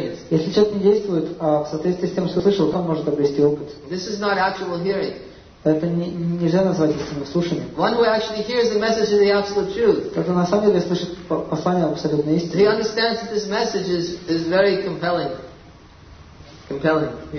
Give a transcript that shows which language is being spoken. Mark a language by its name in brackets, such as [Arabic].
[Russian] Если человек не действует в соответствии с тем, что слышал, то он может обрести опыт. [English] This is not actual hearing. [Russian] Это нельзя назвать истинным слушанием. [English] One who actually hears the message of the absolute truth. [Russian] Кто-то на самом деле слышит послание абсолютной истины. [English] He understands that this message is very compelling. Compelling.